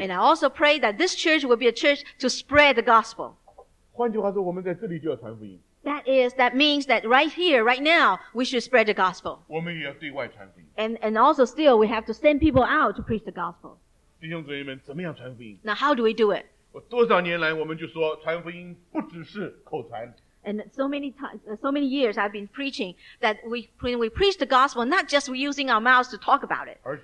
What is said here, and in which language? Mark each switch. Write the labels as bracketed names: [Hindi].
[English] And I also pray that this church will be a church to spread the gospel. [Chinese] 换句话说，我们在这里就要传福音。 [English] That means that right here, right now, we should spread the gospel. [Chinese] 我们也要对外传福音。 [English] And also still, we have to send people out to preach the gospel. [Chinese] 弟兄姊妹们，怎么样传福音？ [English] Now how do we do it? [Chinese] 我多少年来我们就说传福音不只是口传。 [English] And so many years I've been preaching that when we preach the gospel, not just we using our mouths to talk about it.